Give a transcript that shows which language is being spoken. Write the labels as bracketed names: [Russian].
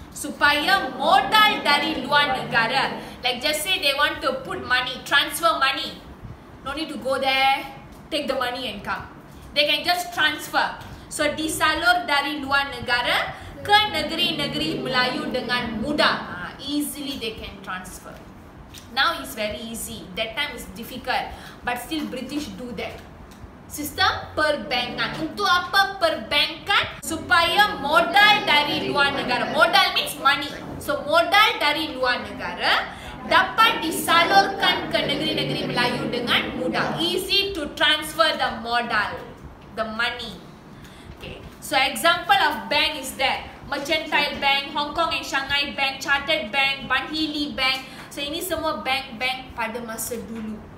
[Malay] Supaya modal dari luar negara. [English] Like just say they want to put money, transfer money. No need to go there, take the money and come. They can just transfer. So [Malay] disalur dari luar negara ke negeri-negeri Melayu dengan mudah. [English] Easily they can transfer. Now it's very easy. That time is difficult. But still British do that. [Malay] Sistem perbankan. Untuk apa perbankan? Supaya modal dari luar negara. Modal [English] means money. [Malay] So modal dari luar negara dapat disalurkan ke negeri-negeri Melayu dengan mudah. [English] Easy to transfer the modal, the money. Okay. So example of bank is that Mercantile Bank, Hong Kong and Shanghai Bank, Chartered Bank, Ban Hee Lee Bank. [Malay] So ini semua bank-bank pada masa dulu.